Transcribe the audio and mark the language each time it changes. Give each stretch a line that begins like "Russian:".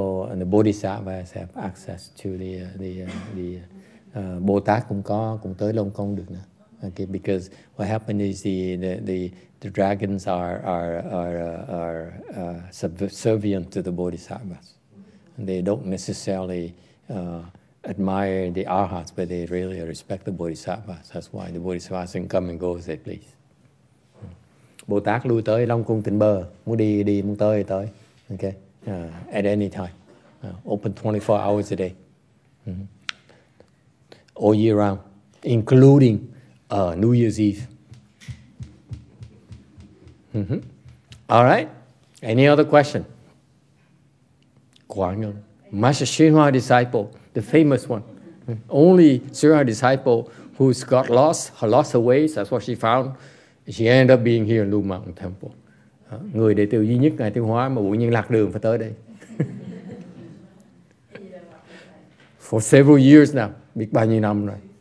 English: and the Bodhisattvas have access to the
Vietnamese: Bồ Tát cũng tới Long Cung được nè.
English: Okay, because what happened is the dragons are subservient to the Bodhisattvas. And they don't necessarily admire the arhats, but they really respect the bodhisattvas. That's why the bodhisattvas can come and go as they please.
Vietnamese: Bồ Tát lui tới Long Cung tịnh bờ, muốn đi đi, muốn tới tới.
English: Okay, at any time, open 24 hours a day, all year round, including New Year's Eve. All right. Any other question? Quang Ngân, Master Shinhua disciple. The famous one. Only Sriha disciple who's got lost her ways, that's what she found. She ended up being here in Lu Mountain Temple.
Vietnamese: Người đệ tử duy nhất ngài Tiêu Hóa mà bỗng nhiên lạc đường phải tới đây.
English: For several years now,
Vietnamese: biết bao nhiêu năm rồi.